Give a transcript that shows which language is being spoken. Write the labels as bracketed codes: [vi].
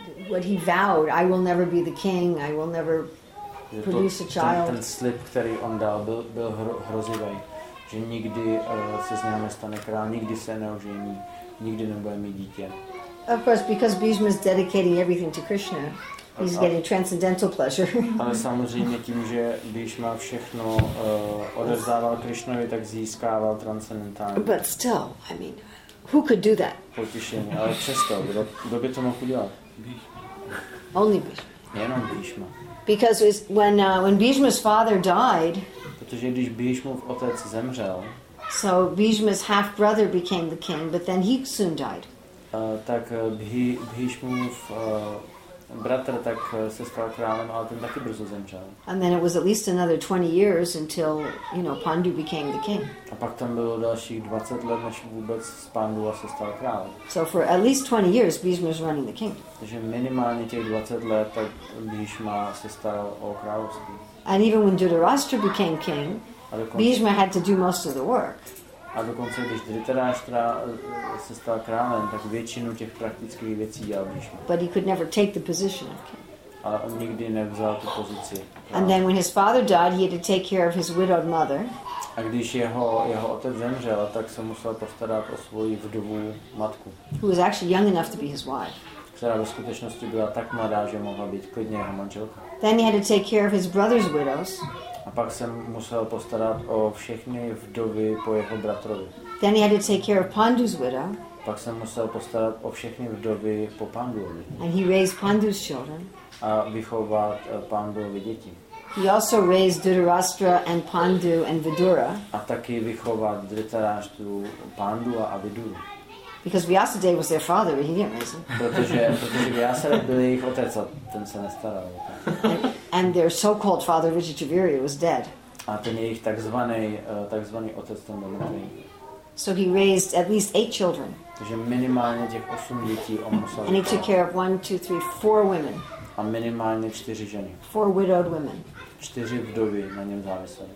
[en] What he vowed, I will never be the king, I will never produce a child. [cs] Ten slib, který on dal, byl hrozivý, že nikdy se z něho nestane král, nikdy se neožení, nikdy nebude mít dítě. [en] Of course, because Bhishma is dedicating everything to Krishna, he's getting transcendental pleasure. [cs] Ale samozřejmě tím, že Bhishma všechno odevzdával Krishnovi, tak získával transcendentální. [en] But still, I mean, who could do that? [cs] Potěšení, ale přesto, kdo by to mohl udělat? [en] Bhishma. Only Bhishma. [cs] Jenom Bhishma. [en] Because when Bhishma's father died, [cs] protože když Bhishmův otec zemřel, [en] so Bhishma's half brother became the king, but then he soon died. [cs] Tak Bhishmův bratr tak se stal králem, ale ten taky brzo zemřel. [en] And then it was at least another 20 years until, you know, Pandu became the king. [cs] A pak tam bylo dalších 20 let, než vůbec Pandu se stal králem. [en] So for at least 20 years Bhishma was running the king. [cs] Takže minimálně těch 20 let tak Bhishma se staral o království. [en] And even when Dhritarashtra became king, Bhishma had to do most of the work. [cs] A dokonce, když Dhritarashtra se stal králem, tak většinu těch praktických věcí dělal Bhishma. [en] But he could never take the position of king. [cs] Ale on nikdy nevzal tu pozici. [en] And then when his father died, he had to take care of his widowed mother. [cs] A když jeho otec zemřel, tak se musel postarat o svoji vdovu matku. [en] Who was actually young enough to be his wife. [cs] Která ve skutečnosti byla tak mladá, že mohla být klidně jeho manželka. [en] Then he had to take care of his brother's widows. [cs] A pak se musel postarat o všechny vdovy po jeho bratrovi. [en] Then he had to take care of Pandu's widow. [cs] Pak se musel postarat o všechny vdovy po Panduovi. [en] And he raised Pandu's children. [cs] A vychovat Panduovi děti. [en] He also raised Dhritarashtra and Pandu and Vidura. [cs] A taky vychovat Dhritarashtru, Pandua a Viduru. [en] Because Vyasadeva was their father, but he didn't raise them. [cs] Protože Vyasadeva byl jejich otec, a ten se nestaral. [en] And their so-called father, Vijayachavirya, was dead. [cs] A ten jejich takzvaný otec, ten byl mrtvý. [en] So he raised at least 8 children. [cs] Takže minimálně těch 8 dětí on musel. [en] And he took care of 4 women. [cs] A minimálně 4 ženy. [en] 4 widowed women. [cs] 4 vdovy na něm závisely.